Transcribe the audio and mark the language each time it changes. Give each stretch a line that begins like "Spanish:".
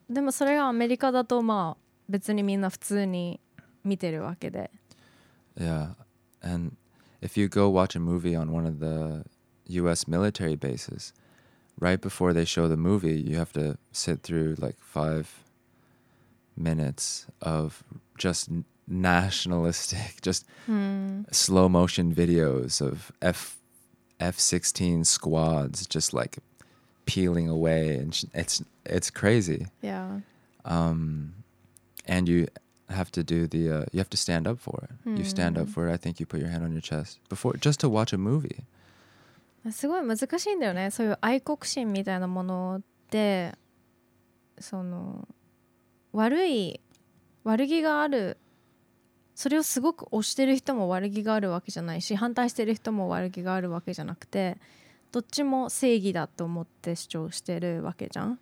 Japanese: でもそれがアメリカだと、まあ、別にみんな普通に見てるわけで。
English: Yeah. And if you go watch a movie on one of theU.S. military bases. Right before they show the movie, you have to sit through like 5 minutes of just nationalistic, just、 hmm. slow motion videos of F-16 squads just like peeling away, and it's crazy. Yeah. And you have to do the、you have to stand up for it.、Hmm. You stand up for it. I think you put your hand on your chest before just to watch a movie.
Japanese: すごい難しいんだよね。そういう愛国心みたいなものってその悪気がある、それをすごく推してる人も悪気があるわけじゃないし、反対してる人も悪気があるわけじゃなくて、どっちも正義だと思って主張してるわけじゃん。